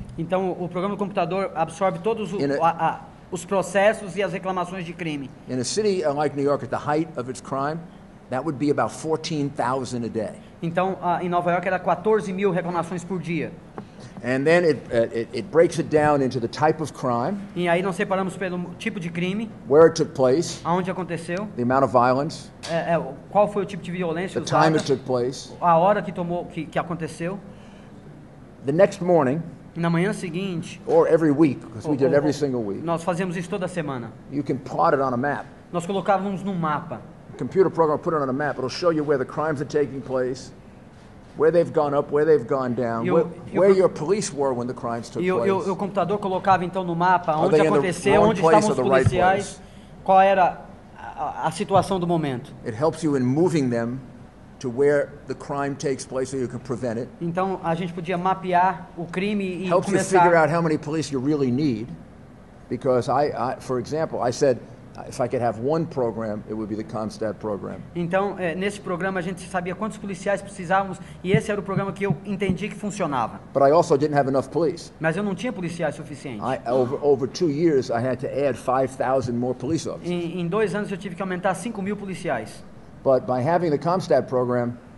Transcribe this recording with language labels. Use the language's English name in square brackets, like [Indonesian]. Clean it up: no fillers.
[Portuguese] Então o programa do computador absorve todos os processos e as reclamações de crime. [English] In a city like New York at the height of its crime, that would be about 14,000 a day. [Portuguese] Então em Nova York era 14,000 reclamações por dia. [English] And then it breaks it down into the type of crime. [Portuguese] E aí nós separamos pelo tipo de crime. [English] Where it took place. [Portuguese] Aonde aconteceu. [English] The amount of violence. [Portuguese] Qual foi o tipo de violência. [English] The time it took place. [Portuguese] A hora que aconteceu. [English] The next morning. [Portuguese] Na manhã seguinte. [English] Or every week, because we did every single week. [Portuguese] Nós fazíamos isso toda semana. [English] You can plot it on a map. [Portuguese] Nós colocávamos num mapa. [English] The computer program put it on a map. It'll show you where the crimes are taking place. Where they've gone up, where they've gone down, where your police were when the crimes took place. [Portuguese] E o computador colocava então no mapa onde aconteceu, onde estavam os policiais, qual era a situação do momento. [English] It helps you in moving them to where the crime takes place so you can prevent it. [Portuguese] Então a gente podia mapear o crime e começar. [English] Helps you figure out how many police you really need, because I for example, I said, if I could have one program, it would be the CONSTAT program. [Portuguese] Então, nesse programa a gente sabia quantos policiais precisávamos e esse era o programa que eu entendi que funcionava. [English] But I also didn't have enough police. [Portuguese] Mas eu não tinha policiais suficientes. [English] Over 2 years, I had to add 5,000 more police officers. [Portuguese] Em 2 anos eu tive que aumentar 5,000 policiais. [English] But by having the CONSTAT program,